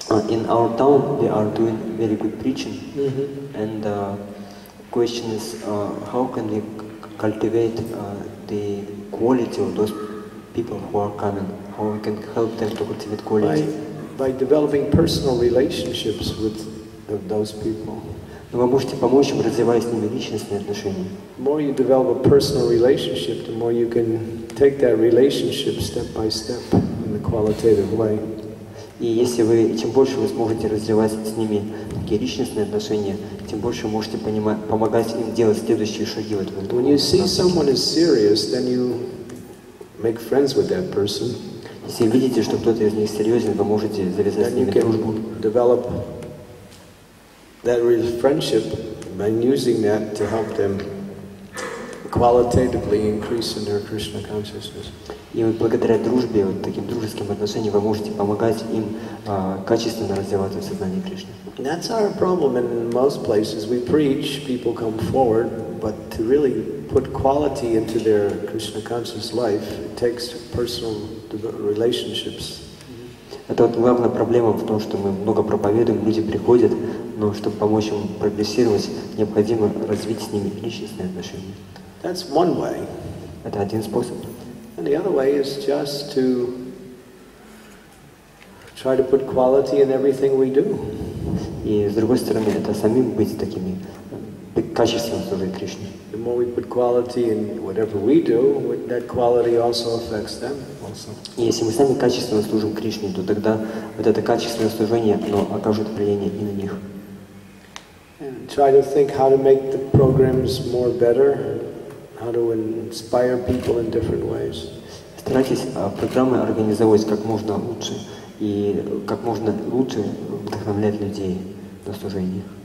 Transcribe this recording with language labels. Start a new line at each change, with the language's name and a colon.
English: In our town we are doing very good preaching. Mm-hmm. And question is how can we cultivate the quality of those people who are coming, how we can help them to cultivate quality. By developing personal relationships with those people.
Russian: Но вы можете помочь им, развивая с ними личностные отношения.
English: The more you develop a personal relationship, the more you can take that relationship step by step in a qualitative way.
Russian: И если вы, чем больше вы сможете развивать с ними такие личностные отношения, тем больше вы можете помогать им делать следующие шаги в этом.
English: When you see someone is serious, then you make friends with that person.
Russian: Если видите, что кто-то из них серьезен, вы можете завязать с ними дружбу.
English: Develop that friendship by using that to help them qualitatively increase in their Krishna consciousness.
Russian: И вот благодаря дружбе, вот таким дружеским отношениям, вы можете помогать им качественно развиваться в сознании Кришны.
English: That's our problem in most places. We preach, people come forward, but to really put quality into their Krishna conscious life, it takes personal relationships.
Russian: Это вот главная проблема в том, что мы много проповедуем, люди приходят, но чтобы помочь им прогрессировать, необходимо развить с ними личностные отношения.
English: That's one way.
Russian: Это один способ.
English: And the other way is just to try to put quality in everything we do.
Russian: И с другой стороны, это самим быть такими качественными в своей Кришне.
English: The more we put quality in whatever we do, that quality also affects them.
Russian: И если мы сами качественно служим Кришне, то тогда вот это качественное служение, оно окажет влияние и на них.
English: Try to think how to make the programs more better, how to inspire people in different ways.
Russian: Старайтесь программы организовывать как можно лучше и как можно лучше вдохновлять людей на служение.